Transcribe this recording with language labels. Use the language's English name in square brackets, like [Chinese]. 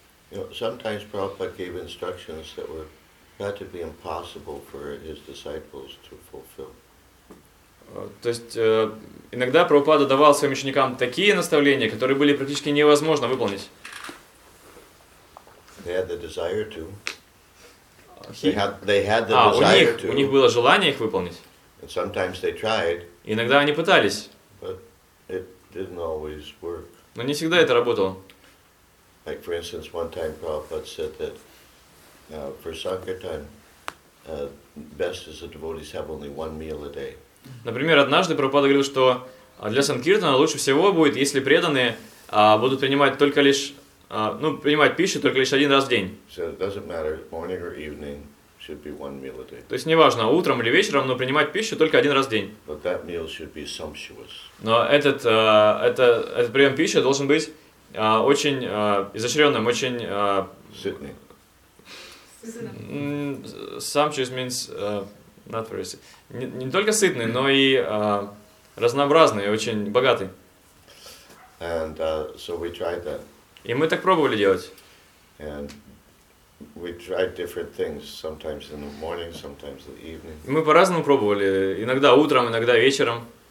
[English] You know, sometimes Prabhupada gave instructions that were had to be impossible for his disciples to fulfill. [Russian] То есть иногда Прабхупада давал своим ученикам такие наставления, которые были практически невозможно выполнить. [English] They had the desire to. They had the desire to. [Russian] У них было желание их выполнить. [English] And sometimes they tried. [Russian] Иногда они пытались. [English] But it didn't always work. [Russian] Но не всегда это работало. [English] Like for instance, one time Prabhupada said that for sankirtan, best is the devotees have only one meal a day. [Russian] Например, однажды Прабхупада говорил, что для санкиртана лучше всего будет, если преданные будут принимать только лишь принимать пищу только лишь один раз в день. [English] So it doesn't matter, morning or evening should be one meal a day. [Russian] То есть неважно, утром или вечером, но принимать пищу только один раз в день. [English] But that meal should be sumptuous. [Russian] Но этот прием пищи должен быть очень изощренным, очень [English] sitting. Sumptuous means not very sitting. [Russian] Не только сытный, но и разнообразный, очень богатый. [English] And so we tried that. [Russian] И мы так пробовали делать. [English] And we tried different things, sometimes in the morning, sometimes in the evening. [Russian] Мы по-разному пробовали, иногда утром, иногда вечером.